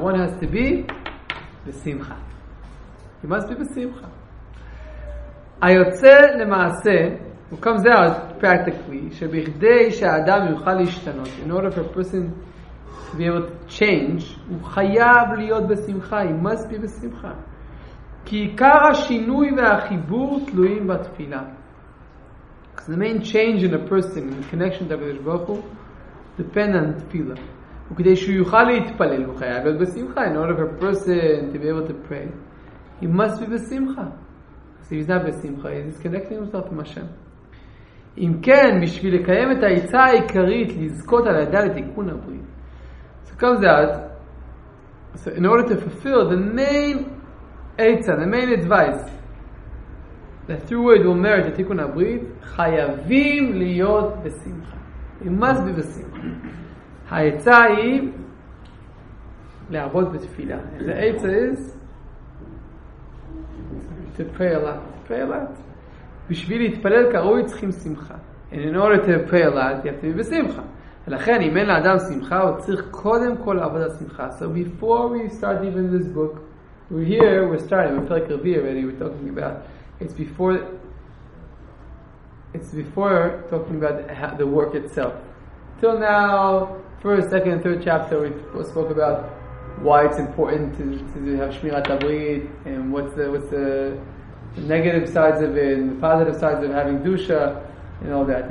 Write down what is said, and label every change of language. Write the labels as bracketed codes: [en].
[en] One has to be בשמחה. He must be בשמחה. [he] היוצא למעשה, [en] what comes out practically, [he] שבכדי שהאדם יוכל להשתנות, [en] in order for a person to be able to change, [he] הוא חייב להיות בשמחה, [en] he must be בשמחה. [he] כי עיקר השינוי והחיבור תלויים בתפילה. [en] Because the main change in a person, in the connection to HaKadosh Baruch Hu, depend on tefillah. [he] וכדי שהוא יוכל להתפלל, הוא חייב להיות בשמחה, [en] in order for a person to be able to pray, he must be בשמחה. Because if he's not בשמחה, he's disconnecting himself from Hashem. [he] אם כן, בשביל לקיים את העיצה העיקרית לזכות על הידה לתיקון הברית. [en] So comes out, so in order to fulfill the main עיצה, the main advice, that through it will merit the תיקון הברית, [he] חייבים להיות בשמחה. [en] It must be [he] בשמחה. העיצה היא לעבוד בתפילה. [en] The עיצה is to pray a lot. Pray a lot. [he] בשביל להתפלל כראוי צריכים שמחה. [en] And in order to pray a lot, you have to be בשמחה. [he] ולכן, אם אין לאדם שמחה, הוא צריך קודם כל לעבוד על שמחה. [en] So before we start even this book, we're here, we're starting, we feel like Rabbi already, we're talking about, it's before talking about the work itself. Till now, first, second, and third chapter, we spoke about why it's important to have Shmirat HaBrit, and what's the negative sides of it, and the positive sides of having dusha, and all that.